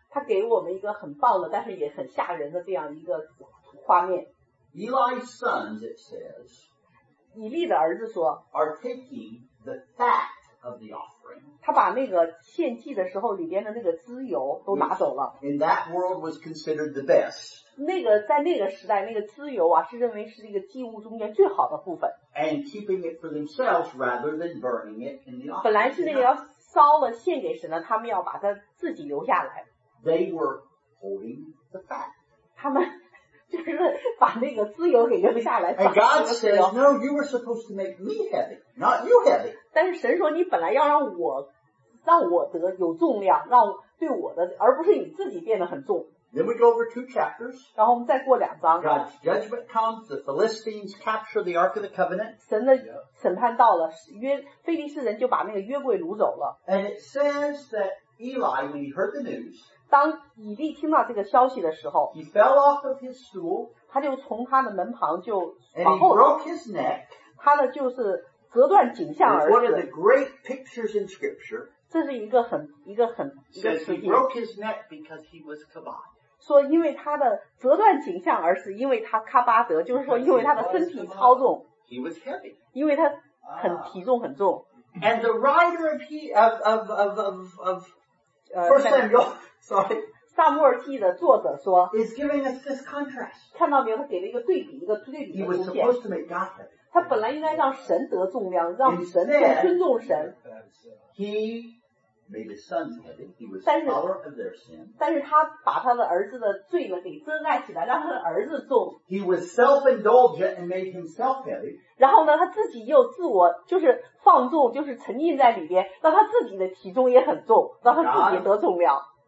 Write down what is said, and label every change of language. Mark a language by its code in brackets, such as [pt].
[zh] 他给我们一个很棒的但是也很吓人的这样一个画面。 [en] Eli's sons, it says, [zh] 以利的儿子说 [en] are taking the fat of the offering. [zh] 他把那个献祭的时候里边的那个脂油都拿走了。 [en] In that world was considered the best. [zh] 那个在那个时代那个脂油啊是认为是这个祭物中间最好的部分 [en] and keeping it for themselves rather than burning it in the offering [zh] 本来是那个要烧了献给神的他们要把它自己留下来 [en] they were holding the fat [zh] 他们就是把那个脂油给留下来 [en] and God says no you were supposed to make me heavy not you heavy [zh] 但是神说你本来要让我得有重量让对我的而不是你自己变得很重 [en] Then we go over two chapters. [zh] 然后我们再过两章。 [en] God's judgment comes. The Philistines capture the Ark of the Covenant. [zh] 神的审判到了，约非利士人就把那个约柜掳走了。 [en] And it says that Eli, when he heard the news, [zh] 当以利听到这个消息的时候 [en] ，he fell off of his stool. [zh] 他就从他的门旁就往后。 [en] And he broke his neck. [zh] 他的就是折断颈项而死。 [en] One of the great pictures in Scripture. [zh] 这是一个很 [en] says he broke his neck because he was kabod. [zh] 说因为他的折断颈项而死因为他喀巴德就是说因为他的身体超重 [en] he was heavy. [zh] 因为他很体重很重 [en] and the writer of First Samuel, sorry, [zh] 撒母耳记的作者说 [en] is giving us this contrast [zh] 看到没有他给了一个对比一个对比的出现 [en] he was supposed to make God heavy. [zh] 他本来应该让神得重量让神更尊重神 [en] heMade his sons heavy. He was the power of their sin. [zh] 但是他把他的儿子的罪呢给遮盖起来，让他的儿子重。 [en] He was self-indulgent and made himself heavy. [zh] 然后呢，他自己又自我就是放纵，就是沉浸在里边，让他自己的体重也很重，让他自己得重量。